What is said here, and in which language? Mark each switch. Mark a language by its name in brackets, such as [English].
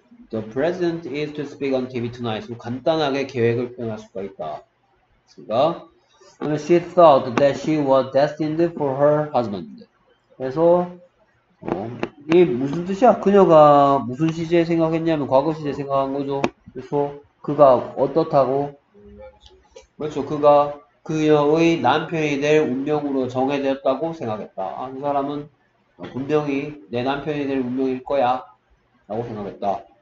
[English] The president is to speak on TV tonight. [Korean] 간단하게 계획을 표현할 수가 있다. [English] 그러니까 And she thought that she was destined for her husband. [Korean] 그래서 이 무슨 뜻이야? 그녀가 무슨 시제 생각했냐면 과거 시제 생각한 거죠. 그래서 그가 어떻다고? 그렇죠. 그가 그녀의 남편이 될 운명으로 정해졌다고 생각했다. 아, 그 사람은 분명히 내 남편이 될 운명일 거야 라고 생각했다.